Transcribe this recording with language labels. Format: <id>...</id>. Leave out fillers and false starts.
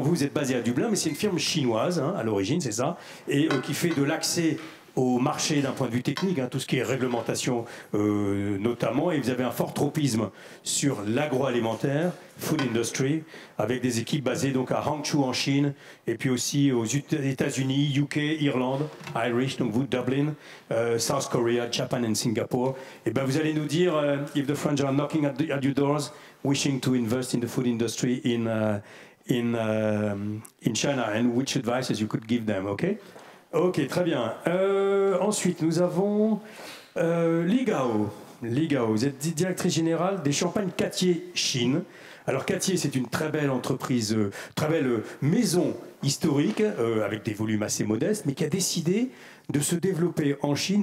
<fr>Vous êtes basé à Dublin, mais c'est une firme chinoise, à l'origine, c'est ça, et qui fait de l'accès au marché d'un point de vue technique, tout ce qui est réglementation notamment, et vous avez un fort tropisme sur l'agroalimentaire, food industry, avec des équipes basées donc à Hangzhou en Chine, et puis aussi aux États-Unis, UK, Irlande, Irish, donc vous, Dublin,</fr> <en>South Korea, Japan and Singapore.</en> <fr>Et ben vous allez nous dire,</fr> <en>if the French are knocking at your doors, wishing to invest in the food industry in China, and which advices you could give them, okay?</en> <fr>Ok, très bien. Ensuite, nous avons Ligao, vous êtes directrice générale des champagnes Cattier Chine. Alors Cattier, c'est une très belle entreprise, très belle maison historique, avec des volumes assez modestes, mais qui a décidé de se développer en Chine.</fr>